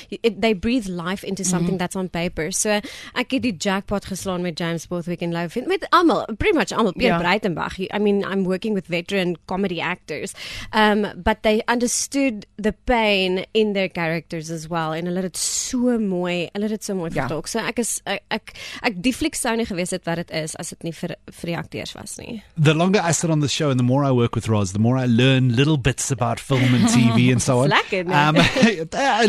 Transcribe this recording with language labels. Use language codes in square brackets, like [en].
[en] They breathe life into something that's on paper. [af] So ek het die jackpot geslaan met James Borthwick en Lou Finn, met almal, [en] pretty much [af] almal, Peter Breitenbach. [en] I mean, I'm working with veteran comedy actors. But they understood the pain in their characters as well. [af] En hulle het so mooi, hulle het so mooi vertolk. So ek is, ek die fliek sou nie gewees het wat het is, as het nie vir die acteurs was nie. [en] The longer I sit on the show and the more I work with Roz, the more I learn little bits about film and TV and so on.